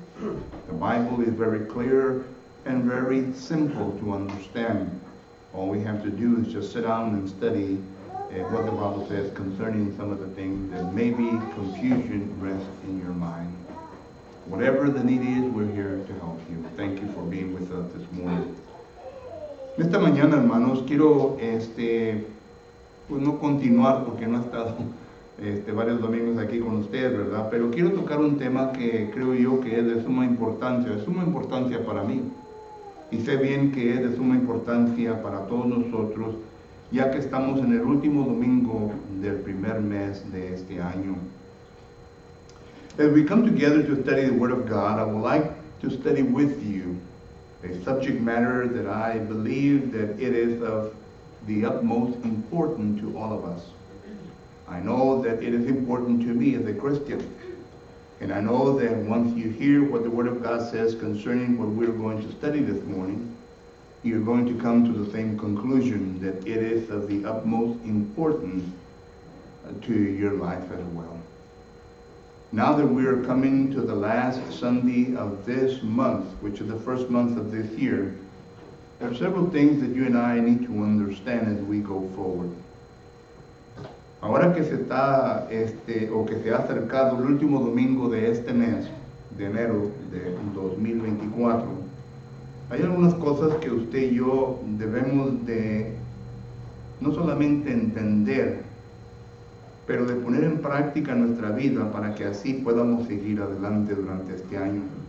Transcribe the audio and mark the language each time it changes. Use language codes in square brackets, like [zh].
[en] The Bible is very clear and very simple to understand. All we have to do is just sit down and study what the Bible says concerning some of the things that maybe confusion rests in your mind. Whatever the need is, we're here to help you. Thank you for being with us this morning. [es] Esta mañana, hermanos, quiero pues no continuar porque no he estado varios domingos aquí con ustedes, ¿verdad? Pero quiero tocar un tema que creo yo que es de suma importancia para mí. Y sé bien que es de suma importancia para todos nosotros, ya que estamos en el último domingo del primer mes de este año. [en] As we come together to study the Word of God, I would like to study with you a subject matter that I believe that it is of the utmost importance to all of us. I know that it is important to me as a Christian, and I know that once you hear what the Word of God says concerning what we're going to study this morning, you're going to come to the same conclusion that it is of the utmost importance to your life as well. Now that we are coming to the last Sunday of this month, which is the first month of this year, there are several things that you and I need to understand as we go forward. [es] Ahora que se está, o que se ha acercado el último domingo de este mes, de enero de 2024, hay algunas cosas que usted y yo debemos de no solamente entender, pero de poner en práctica nuestra vida para que así podamos seguir adelante durante este año.